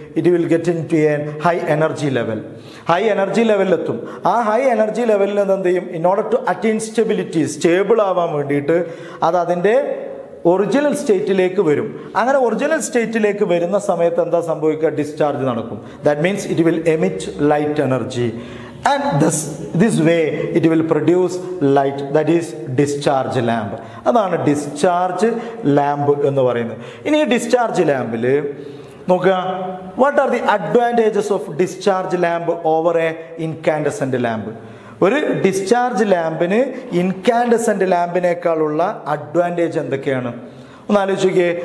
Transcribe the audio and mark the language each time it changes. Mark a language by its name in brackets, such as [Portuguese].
[English] It will get into a high energy level. [Malayalam] High energy ലെവലിലെത്തും. ആ high energy ലെവലിൽ നിന്ന് എന്ത് ചെയ്യും? [English] in order to attain stability, [Malayalam] stable ആവാൻ വേണ്ടിയിട്ട് അത് അതിൻ്റെ ഒറിജിനൽ സ്റ്റേറ്റിലേക്ക് വരും. അങ്ങനെ ഒറിജിനൽ സ്റ്റേറ്റിലേക്ക് വരുന്ന സമയത്ത് എന്താ സംഭവിക്കുക? ഡിസ്ചാർജ് നടക്കും. [English] That means it will emit light energy. And this way it will produce light, that is discharge lamp. [Malayalam] അതാണ് ഡിസ്ചാർജ് ലാമ്പ് എന്ന് പറയുന്നത്. ഇനി ഡിസ്ചാർജ് ലാമ്പിൽ നോക്കുക, [English] What are the advantages of discharge lamp over a incandescent lamp? [Malayalam] ഒരു discharge ലാമ്പിന് incandescent ലാമ്പിനേക്കാളുള്ള advantage എന്തൊക്കെയാണ് ഒന്ന് ആലോചിക്കുകയെ.